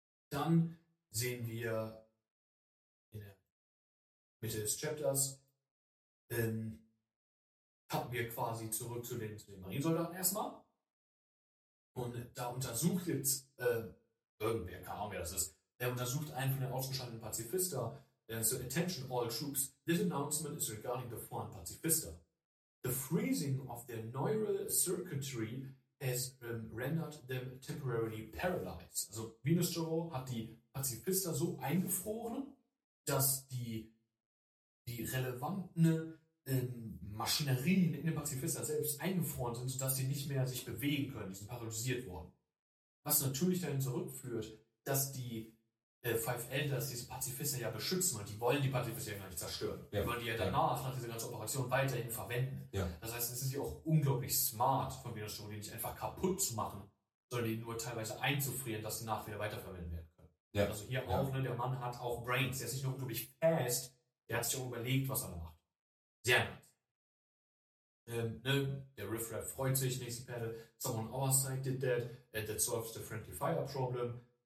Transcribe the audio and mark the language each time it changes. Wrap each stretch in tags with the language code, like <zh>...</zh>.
<de>Dann sehen wir in der Mitte des Chapters, kommen wir quasi zurück zu den Marinesoldaten erstmal. Und da untersucht jetzt irgendwer, keine Ahnung, wer das ist, der untersucht einen von den ausgeschalteten Pazifisten.</de> <en>So, attention all troops, this announcement is regarding the foreign Pazifista. The freezing of their neural circuitry has rendered them temporarily paralyzed.</en> <de>Also, Venus Joro hat die Pazifista so eingefroren, dass die relevanten Maschinerien in den Pazifista selbst eingefroren sind, sodass sie nicht mehr sich bewegen können. Die sind paralysiert worden. Was natürlich dahin zurückführt, dass die Five Elders diese Pazifisten ja beschützen, und die wollen die Pazifisten ja gar nicht zerstören. Ja. Die wollen die ja danach, nach dieser ganzen Operation, weiterhin verwenden. Ja. Das heißt, es ist ja auch unglaublich smart von Venus Stone, die nicht einfach kaputt zu machen, sondern die nur teilweise einzufrieren, dass sie nachher wieder weiterverwenden werden können. Ja. Also hier auch, ne, der Mann hat auch Brains, der ist nicht nur unglaublich fast, der hat sich auch überlegt, was er da macht. Sehr nice. Der Riff Raff freut sich, nächste Panel.</de> <en>Someone our side did that, and that solves the friendly fire problem.</en>